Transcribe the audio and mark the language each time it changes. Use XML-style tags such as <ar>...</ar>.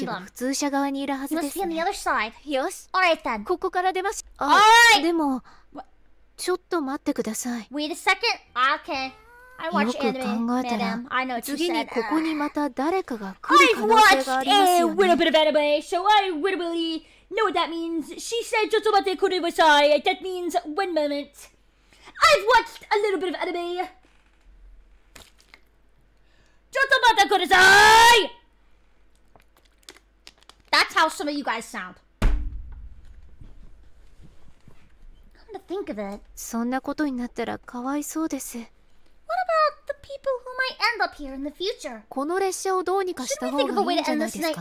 <ja>Naoki は普通車側にいるはずですね。</ja> <en>He must be on the other side. Yes. All right then.</en> <ja>ここから出ます。</ja> <en>All right.</en> <ja>でも、ちょっと待ってください。</ja> <en>Wait a second. Okay. I watch anime.</en> <ja>よく考えたら、</ja> <en>I know what you said.</en> <ja>次にここにまた誰かが来る可能性がありますよね。</ja> <en>I've watched a little bit of anime, so I literally know what that means. She said,</en> <ja>ちょっと待ってください。</ja> <en>That means one moment. I've watched a little bit of anime.</en> <ja>ちょっと待ってください。</ja> <en>how some of you guys sound. Come to think of it.</en> <ja>そんなことになったらかわいそうです。</ja> <en>What about the people who might end up here in the future?</en> <ja>この列車をどうにかした方がいいんじゃないですか?</ja>